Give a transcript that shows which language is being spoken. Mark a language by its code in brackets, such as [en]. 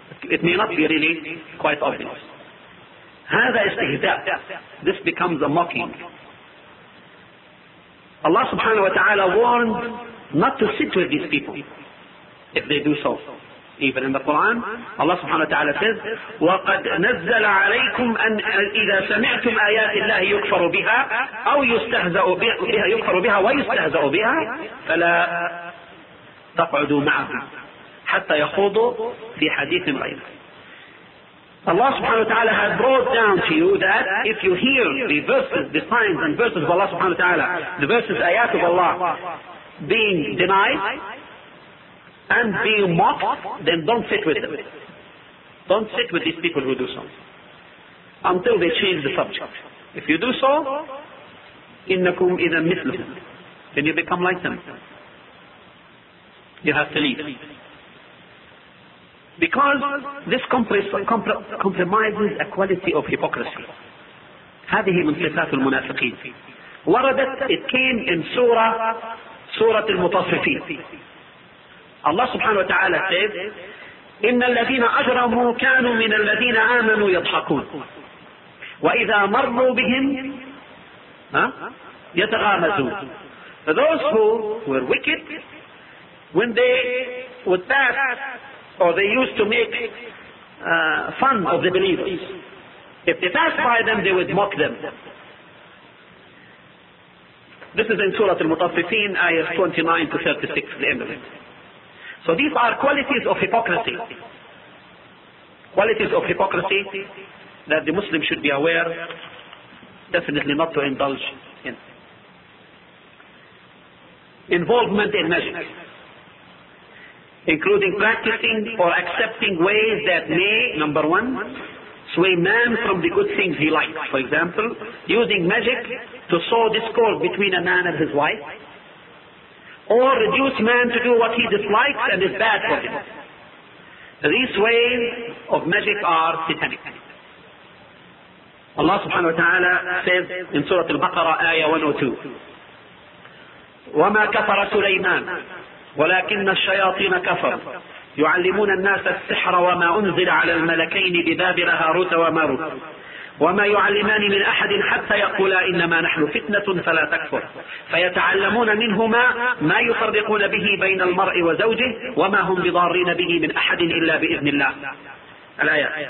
[en] It may not be really quite obvious. [ar] هذا استهزاء. [en] This becomes a mocking. Allah subhanahu wa ta'ala warned not to sit with these people if they do so. Even in the Quran, Allah subhanahu wa ta'ala says, [ar] وَقَدْ نَزَّلَ عَلَيْكُمْ أَنْ إِذَا سَمِعْتُمْ آيَاتِ اللَّهِ يُكْفَرُ بِهَا أَوْ يُسْتَهْزَأُ بِهَا يُكْفَرُ بِهَا وَيُسْتَهْزَأُ بِهَا فَلَا تَقْعُدُوا مَعَهُمْ حَتَّى يَخُوضُوا فِي حَدِيثٍ غَيْرِهِ. [en] Allah subhanahu wa ta'ala has brought down to you that if you hear the verses, the signs and verses of Allah subhanahu wa ta'ala, the verses, ayat of Allah being denied and being mocked, then don't sit with them. Don't sit with these people who do so, until they change the subject. If you do so, [ar] إِنَّكُمْ إِذَا مِثْلُهُمْ, [en] then you become like them. You have to leave. Because this compromises a quality of hypocrisy. [ar] هذه من صفات المنافقين. وردت, [en] it came in سورة المتصفين. Allah subhanahu wa ta'ala says, [ar] إِنَّ الَّذِينَ أَجْرَمُوا كَانُوا مِنَ الَّذِينَ آمَنُوا يَضْحَكُونَ وَإِذَا مَرُّوا بِهِمْ يَتَغَامَزُونَ. [en] Those who were wicked, when they would pass, or they used to make fun of the believers, If they passed by them, they would mock them. This is in Surah Al-Mutaffifin, ayah 29 to 36, the end of it. So these are qualities of hypocrisy. Qualities of hypocrisy that the Muslim should be aware, definitely not to indulge in. Involvement in magic, including practicing or accepting ways that may, number one, sway man from the good things he likes. For example, using magic to sow discord between a man and his wife, or reduce man to do what he dislikes and is bad for him. These ways of magic are satanic. Allah subhanahu wa ta'ala says in Surah Al-Baqarah, ayah 102, [ar] وَمَا كَفَرَ سُلَيْمَانُ وَلَكِنَّ الشَّيَاطِينَ كَفَرُوا يُعَلِّمُونَ النَّاسَ السِّحْرَ وَمَا أُنْزِلَ عَلَى الْمَلَكَيْنِ بِبَابِلَ هَارُوتَ وَمَارُوتَ وَمَا يُعَلِّمَانِ مِنْ أَحَدٍ حَتَّى يَقُولَا إِنَّمَا نَحْنُ فِتْنَةٌ فَلَا تَكْفُرْ فَيَتَعَلَّمُونَ مِنْهُمَا مَا يُفَرِّقُونَ بِهِ بَيْنَ الْمَرْءِ وَزَوْجِهِ وَمَا هُمْ بِضَارِّينَ بِهِ مِنْ أَحَدٍ إِلَّا بِإِذْنِ اللَّهِ الآية.